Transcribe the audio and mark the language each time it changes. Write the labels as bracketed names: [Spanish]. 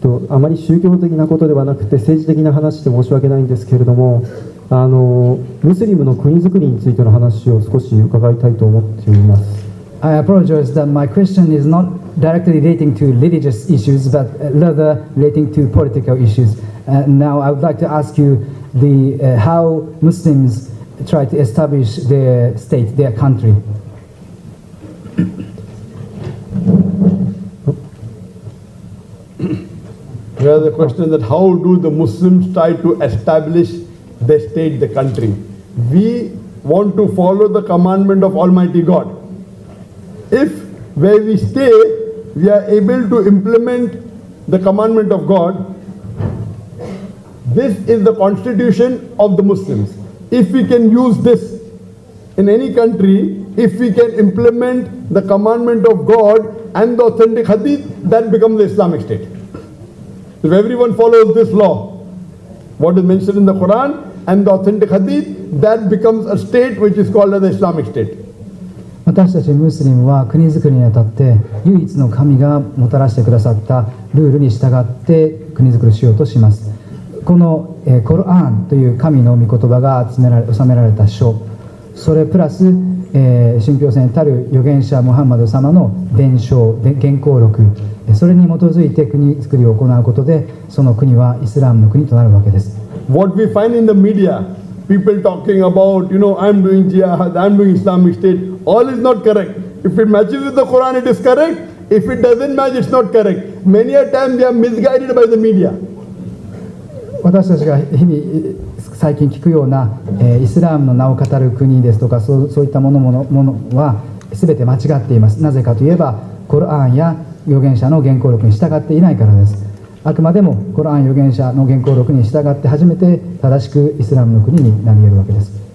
[Japanese] あまり宗教的なことではなくて政治的な話で申し訳ないんですけれども、ムスリムの国づくりについての話を少し伺いたいと思っています。 [English] I apologize that my question is not directly relating to religious issues, but rather relating to political issues. And now I would like to ask you the, how Muslims. Try to establish their state, their country. Here the question that how do the Muslims try to establish their state, the country? We want to follow the commandment of Almighty God. If where we stay, we are able to implement the commandment of God, this is the constitution of the Muslims. If we can use this in any country, if we can implement the commandment of God and the authentic hadith, that becomes the Islamic state. If everyone follows this law, what is mentioned in the Quran and the authentic hadith, that becomes a state which is called as an Islamic state. [Japanese] 私たちムスリムは国づくりにあたって唯一の神がもたらしてくださったルールに従って国づくりしようとします。このコルアンという神の御言葉が収められた書、それプラス信憑性たる預言者ムハンマド様の伝承原稿録、それに基づいて国づくりを行うことで、その国はイスラムの国となるわけです。 [English] What we find in the media, people talking about, you know, I'm doing jihad, I'm doing Islamic state, all is not correct. If it matches with the Quran, it is correct. If it doesn't match, it's not correct. Many a time we are misguided by the media. [Japanese] 私たちが日々最近聞くような、イスラームの名を語る国ですとか、そういったものは全て間違っています。なぜかといえば、コルアンや預言者の原稿録に従っていないからです。あくまでもコルアン預言者の原稿録に従って初めて正しくイスラームの国になり得るわけです。